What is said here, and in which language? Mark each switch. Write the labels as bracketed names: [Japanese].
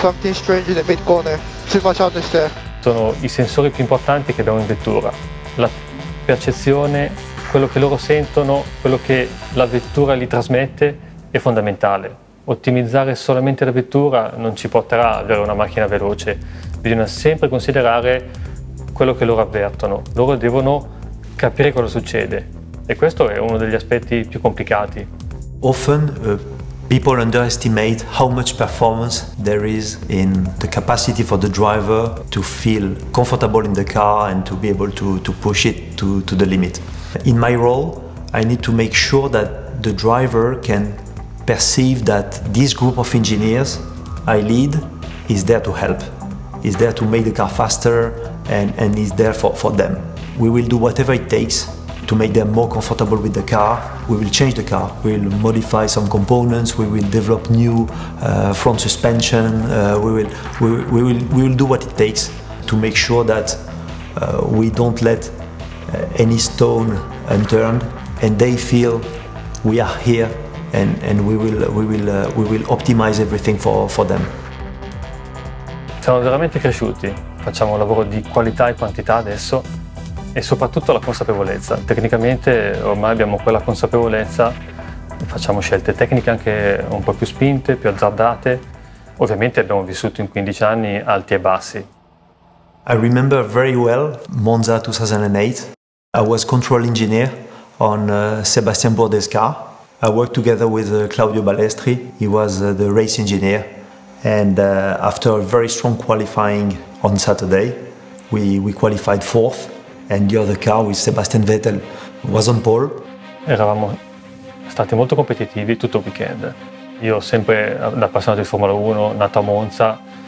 [English] Something strange in the mid corner, too much out there. [Italian] Sono i sensori più importanti che abbiamo in vettura. La percezione, quello che loro sentono, quello che la vettura gli trasmette è fondamentale. Ottimizzare solamente la vettura non ci porterà ad avere una macchina veloce. Bisogna sempre considerare quello che loro avvertono. Loro devono capire cosa succede e questo è uno degli aspetti più complicati. [English] Often people underestimate how much performance there is in the capacity for the driver to feel comfortable in the car and to be able to push it to the limit. In my role, I need to make sure that the driver can perceive that this group of engineers I lead is there to help, is there to make the car faster and is there for them. We will do whatever it takes to make them more comfortable with the car. We will change the car, we'll modify some components, we will develop new front suspension, we will do what it takes to make sure that we don't let any stone unturned and they feel we are here and we will optimize everything for them. [Italian] Siamo veramente cresciuti, facciamo un lavoro di qualità e quantità adesso. E soprattutto la consapevolezza. Tecnicamente ormai abbiamo quella consapevolezza, facciamo scelte tecniche anche un po' più spinte, più azzardate. Ovviamente abbiamo vissuto in 15 anni alti e bassi. [English] I remember very well Monza 2008. I was control engineer on Sebastian Bourdais' car. I worked together with Claudio Balestri. He was the race engineer. And after a very strong qualifying on Saturday, we qualified fourth. And the other car with Sebastian Vettel was on pole. [Italian] Eravamo stati molto competitivi tutto il weekend. Io sempre da appassionato di Formula 1, nato a Monza,